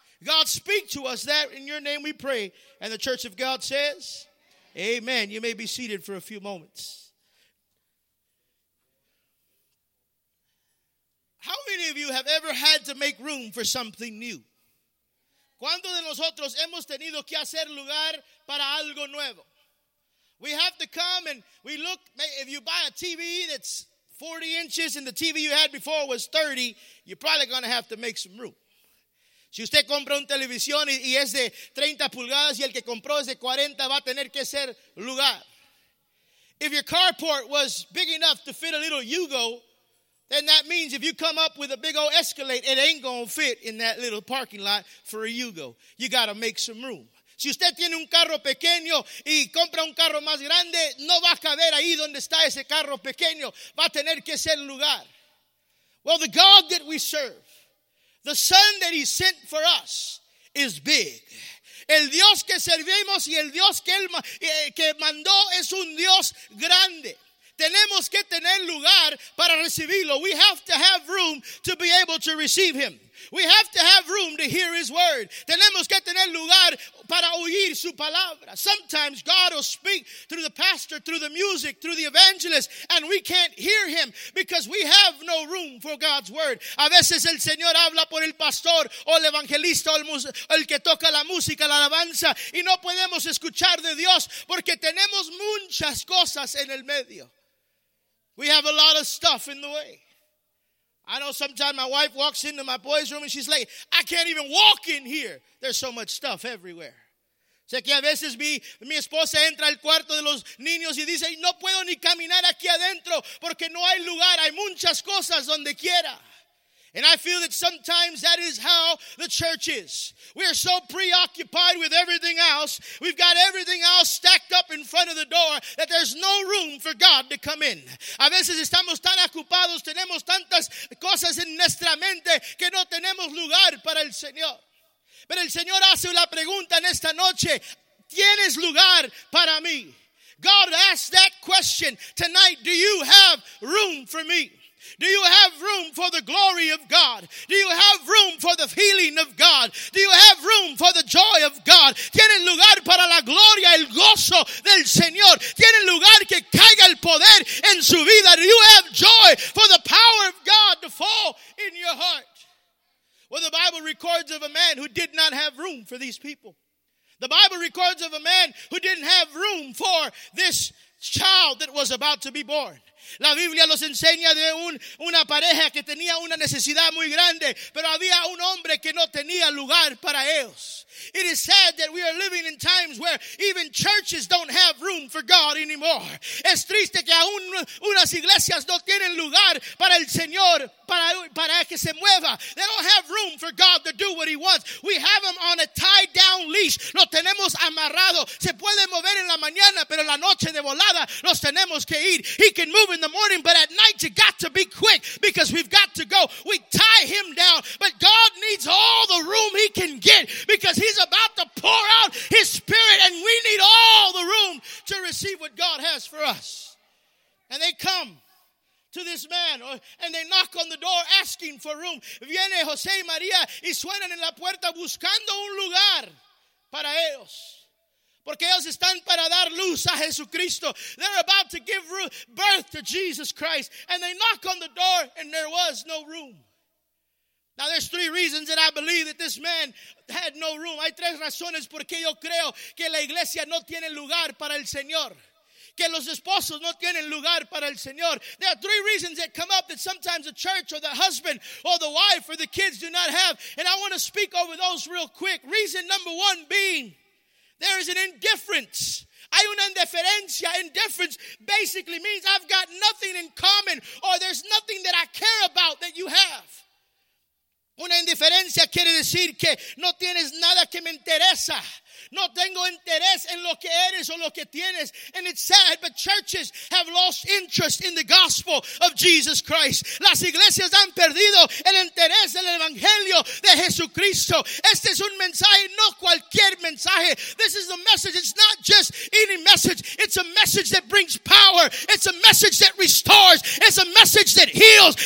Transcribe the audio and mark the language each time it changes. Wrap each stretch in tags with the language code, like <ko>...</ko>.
<en>God, speak to us that in your name we pray. And the church of God says, amen. You may be seated for a few moments. How many of you have ever had to make room for something new?</en> <es>¿Cuántos de nosotros hemos tenido que hacer lugar para algo nuevo?</es> <en>We have to come and we look. If you buy a TV that's 40 inches and the TV you had before was 30, you're probably going to have to make some room.</en> <es>Si usted compra un televisión y es de 30 pulgadas y el que compró es de 40, va a tener que hacer lugar.</es> <en>If your carport was big enough to fit a little Yugo, then that means if you come up with a big old Escalade, it ain't going to fit in that little parking lot for a Yugo. You got to make some room.</en> <es>Si usted tiene un carro pequeño y compra un carro más grande, no va a caber ahí donde está ese carro pequeño. Va a tener que hacer lugar.</es> <en>Well, the God that we serve, the son that he sent for us is big.</en> <es>El Dios que servimos y el Dios que mandó es un Dios grande. Tenemos que tener lugar para recibirlo.</es> <en>We have to have room to be able to receive him. We have to have room to hear his word.</en> <es>Tenemos que tener lugar para oír su palabra.</es> <en>Sometimes God will speak through the pastor, through the music, through the evangelist, and we can't hear him because we have no room for God's word.</en> <es>A veces el Señor habla por el pastor o el evangelista o el que toca la música, la alabanza, y no podemos escuchar de Dios porque tenemos muchas cosas en el medio.</es> <en>We have a lot of stuff in the way. I know sometimes my wife walks into my boys' room and she's like, I can't even walk in here. There's so much stuff everywhere.</en> <es>Sé que a veces mi esposa entra al cuarto de los niños y dice, no puedo ni caminar aquí adentro porque no hay lugar. Hay muchas cosas donde quiera.</es> <en>And I feel that sometimes that is how the church is. We are so preoccupied with everything else. We've got everything else stacked up in front of the door that there's no room for God to come in.</en> <es>A veces estamos tan ocupados, tenemos tantas cosas en nuestra mente que no tenemos lugar para el Señor. Pero el Señor hace la pregunta en esta noche, ¿tienes lugar para mí?</es> <en>God asks that question tonight, do you have room for me? Do you have room for the glory of God? Do you have room for the healing of God? Do you have room for the joy of God?</en> <es>¿Tienen lugar para la gloria, el gozo del Señor? ¿Tienen lugar que caiga el poder en su vida?</es> <en>Do you have joy for the power of God to fall in your heart? Well, the Bible records of a man who did not have room for these people. The Bible records of a man who didn't have room for this child that was about to be born.</en> <es>La Biblia nos enseña de una pareja que tenía una necesidad muy grande, pero había un hombre que no tenía lugar para ellos.</es> <en>It is sad that we are living in times where even churches don't have room for God anymore. Es triste que aún unas iglesias no tienen lugar para el Señor, para que se mueva. They don't have room for God to do what he wants. We have him on a tied down leash.</en> <es>Refuge. Los tenemos amarrados. Se puede mover en la mañana, pero en la noche de volada los tenemos que ir.</es> <en>He can move in the morning, but at night you got to be quick because we've got to go. We tie him down, but God needs all the room he can get because he's about to pour out his spirit, and we need all the room to receive what God has for us. And they come to this man, and they knock on the door asking for room.</en> <es>Viene José y María y suenan en la puerta buscando un lugar para ellos. Porque ellos están para dar luz a Jesucristo.</es> <en>They're about to give birth to Jesus Christ. And they knock on the door and there was no room. Now there's three reasons that I believe that this man had no room.</en> <es>Hay tres razones por qué yo creo que la iglesia no tiene lugar para el Señor. Que los esposos no tienen lugar para el Señor.</es> <en>There are three reasons that come up that sometimes the church or the husband or the wife or the kids do not have. And I want to speak over those real quick. Reason number one being, there is an indifference.</en> <es>Hay una indiferencia.</es> <en>Indifference basically means I've got nothing in common, or there's nothing that I care about that you have.</en> <es>Una indiferencia quiere decir que no tienes nada que me interesa. No tengo interés en lo que eres o lo que tienes.</es> <en>And it's sad, but churches have lost interest in the gospel of Jesus Christ.</en> <es>Las iglesias han perdido el interés del evangelio de Jesucristo. Este es un mensaje, no cualquier mensaje.</es> <en>This is a message. It's not just any message. It's a message that brings power. It's a message that restores. It's a message that heals.</en>